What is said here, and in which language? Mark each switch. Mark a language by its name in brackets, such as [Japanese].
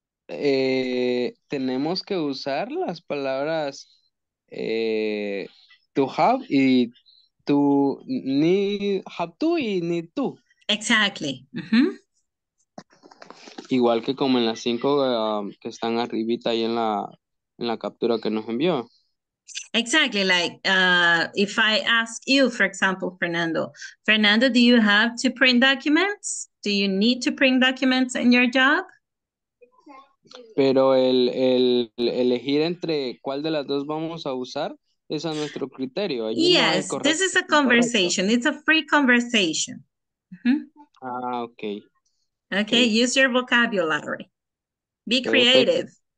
[Spanish] Tenemos que usar las palabras to have y to need, [English] have to [Spanish] y [English] need to. Exactly. Mm-hmm. [Spanish] Igual que como en las cinco que están arribita ahí en la captura que nos envió. [English] Exactly, like if I ask you, for example, Fernando, do you have to print documents? Do you need to print documents in your job? [Spanish] Pero el elegir entre cuál de las dos vamos a usar, es a nuestro criterio. Allí [English] yes, [Spanish] no hay correct- [English] this is a conversation. It's a free conversation. Mm-hmm. Ah, okay. Okay. Okay, use your vocabulary. Be creative.